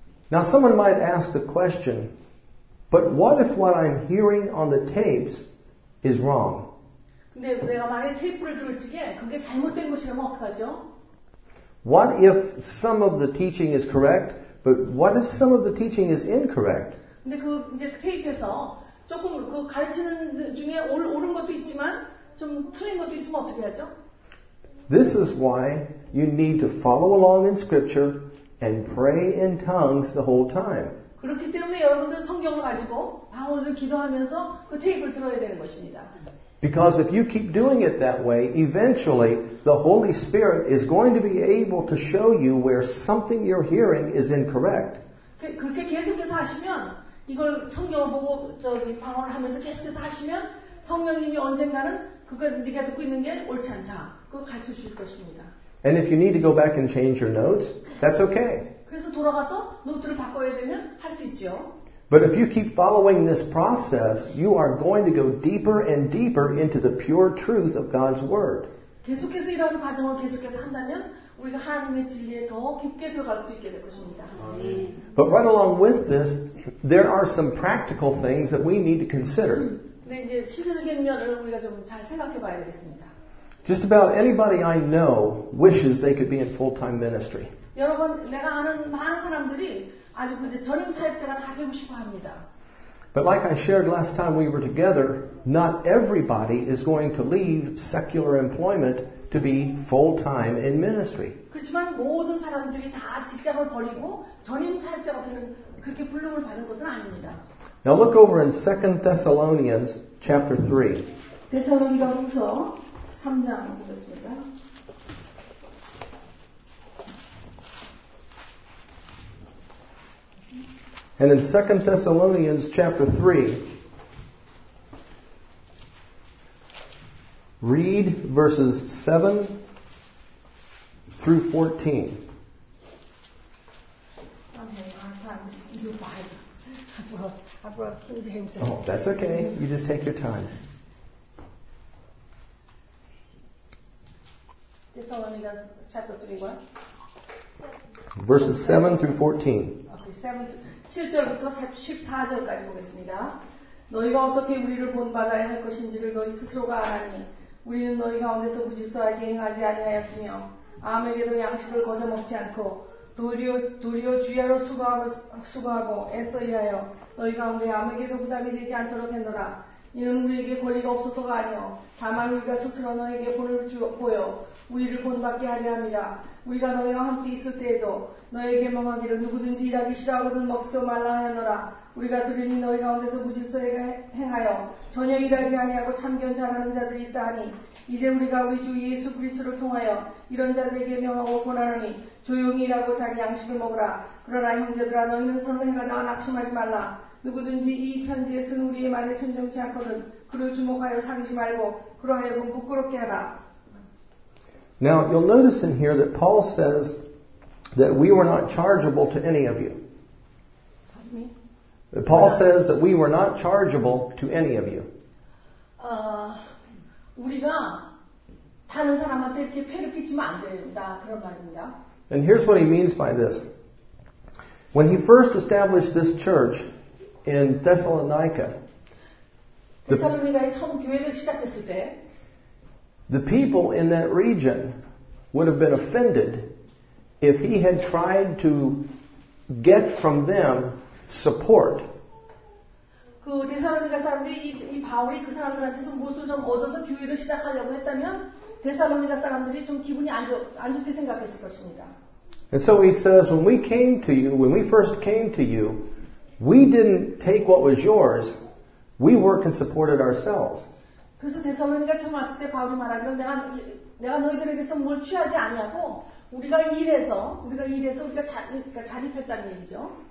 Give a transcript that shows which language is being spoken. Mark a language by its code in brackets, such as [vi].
[en] Now someone might ask the question, but what if what I'm hearing on the tapes is wrong? [ko] 근데 내가 만약에 테이프를 들을 적에 그게 잘못된 것이라면 어떡하죠? [en] What if some of the teaching is correct, but what if some of the teaching is incorrect? [ko] 근데 그 이제 테이프에서 조금 그 가르치는 중에 옳은 것도 있지만 좀 틀린 것도 있으면 어떻게 하죠? [en] This is why you need to follow along in Scripture and pray in tongues the whole time. [ko] 그렇기 때문에 여러분들 성경을 가지고 방언을 기도하면서 그 테이프를 들어야 되는 것입니다. [en] Because if you keep doing it that way, eventually the Holy Spirit is going to be able to show you where something you're hearing is incorrect. [ko] 그렇게 계속해서 하시면 이걸 성경을 보고 저기 방언을 하면서 계속해서 하시면 성령님이 언젠가는 그거 네가 듣고 있는 게 옳지 않다. 그걸 가르쳐 주실 것입니다. [en] And if you need to go back and change your notes, that's okay. [ko] 그래서 돌아가서 노트를 바꿔야 되면 할 수 있죠. [en] But if you keep following this process, you are going to go deeper and deeper into the pure truth of God's Word. [ko] 계속해서 이런 과정을 계속해서 한다면 우리가 하나님의 진리에 더 깊게 들어갈 수 있게 될 것입니다. [en] But right along with this, there are some practical things that we need to consider. [ko] 근데 이제 실질적인 면을 우리가 좀 잘 생각해 봐야 되겠습니다. [en] Just about anybody I know wishes they could be in full-time ministry. [ko] 여러분, 내가 아는 많은 사람들이 아주 이제 전임 사역자가 되고 싶어 합니다. [en] But like I shared last time we were together, not everybody is going to leave secular employment to be full-time in ministry. [ko] 그렇지만 모든 사람들이 다 직장을 버리고 전임 사역자가 되는 그렇게 부름을 받는 것은 아닙니다. [en] Now look over in 2 Thessalonians chapter 3. [ko] 데살로니가후서 3장 보겠습니다. [en] And in 2 Thessalonians chapter 3, read verses 7 through 14. Okay, I'm sorry, this is your Bible. I brought King James. Oh, that's okay. You just take your time. Thessalonians chapter 3, what? Verses 7 through 14. Okay, 7 through [ko] 7절부터 14절까지 보겠습니다. 너희가 어떻게 우리를 본받아야 할 것인지를 너희 스스로가 아나니 우리는 너희 가운데서 무질서하게 행하지 아니하였으며 아무에게도 양식을 거저 먹지 않고 도리어 주야로 수고하고 애써 일하여 너희 가운데 아무에게도 부담이 되지 않도록 했노라. 이는 우리에게 권리가 없어서가 아니오. 다만 우리가 스스로 너희에게 본을 보여 우리를 본받게 하려 합니다. 우리가 너희와 함께 있을 때에도 너희에게 명하기를 누구든지 일하기 싫어하거든 먹지도 말라 하였노라. 우리가 들으니 너희 가운데서 무질서에 행하여 전혀 일하지 아니하고 참견 잘하는 자들이 있다 하니 이제 우리가 우리 주 예수 그리스도를 통하여 이런 자들에게 명하고 권하노니 조용히 일하고 자기 양식을 먹으라. 그러나 형제들아 너희는 선을 행하나 낙심하지 말라. 누구든지 이 편지에 쓴 우리의 말에 순종치 않거든 그를 주목하여 상지 말고 그러하여 부끄럽게 하라. [en] Now you'll notice in here that Paul says that we were not chargeable to any of you. Pardon me? Paul says that we were not chargeable to any of you. [ko] 우리가 다른 사람한테 이렇게 폐를 끼치면 안 된다 그런 말입니다. [en] And here's what he means by this. When he first established this church in Thessalonica, [ko] 데살로니가 처음 교회를 시작했을 때 [en] the people in that region would have been offended if he had tried to get from them support. [ko] 그 데살로니가 사람들이 이 바울이 그 사람들한테서 무엇을 좀 얻어서 교회를 시작하려고 했다면 데살로니가 사람들이 좀 기분이 안 좋게 생각했을 것입니다. [en] And so he says, when we came to you, when we first came to you, we didn't take what was yours. We worked and supported ourselves. [ko] 그래서 데살로니가 처음 왔을 때 바울이 말하기를 내가 너희들에게서 뭘 취하지 아니하고 우리가 일해서 자립했다는 얘기죠.